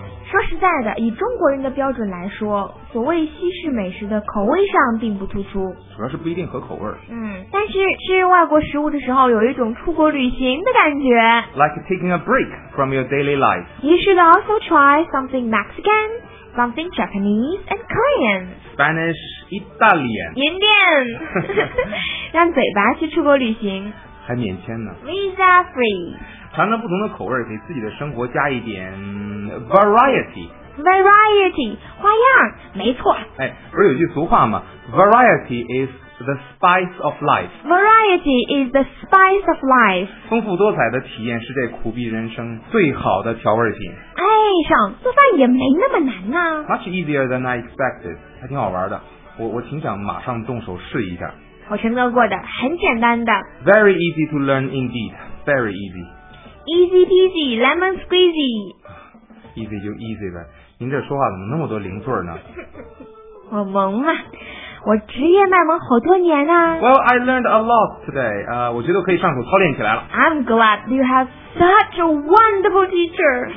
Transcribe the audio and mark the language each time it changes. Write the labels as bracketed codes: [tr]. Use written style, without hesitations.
[zh] 说实在的，以中国人的标准来说，所谓西式美食的口味上并不突出，主要是不一定合口味。嗯，但是吃外国食物的时候有一种出国旅行的感觉。 [en] Like taking a break from your daily life. You should also try something Mexican, something Japanese and Korean. Spanish, Italian, [zh] 缅甸。让嘴巴去出国旅行还免签呢， [en] Visa free。 [zh] 尝尝不同的口味，给自己的生活加一点 variety。 Variety， 花样，没错。哎，不是有句俗话吗？ [en] Variety is the spice of life。 Variety is the spice of life。 [zh] 丰富多彩的体验是这苦逼人生最好的调味品。哎，上做饭也没那么难啊。 [en] Much easier than I expected， [zh] 还挺好玩的。我挺想马上动手试一下。我成功过的，很简单的。 [en] Very easy to learn indeed， very easy Easy peasy, lemon squeezy. [zh] Easy 就 easy 呗，您这说话怎么那么多零碎呢？我萌啊，我职业卖萌好多年啊。 [en] Well, I learned a lot today. [zh] 我觉得可以上手操练起来了。 [en] I'm glad you have such a wonderful teacher.